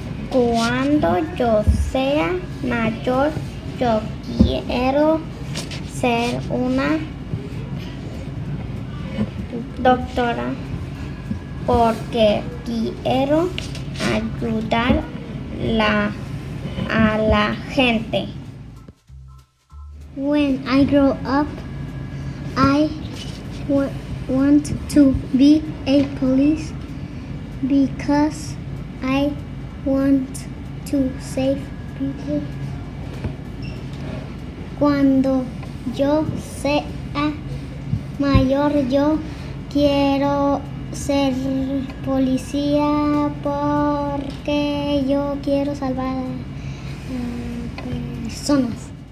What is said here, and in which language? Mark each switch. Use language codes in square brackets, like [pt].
[es] Cuando yo sea mayor, yo quiero ser una doctora porque quiero ayudar a la gente. [en] When I grow up, I want to be a police because I want to save people. [es] Cuando yo sea mayor, yo quiero ser policía porque yo quiero salvar a personas.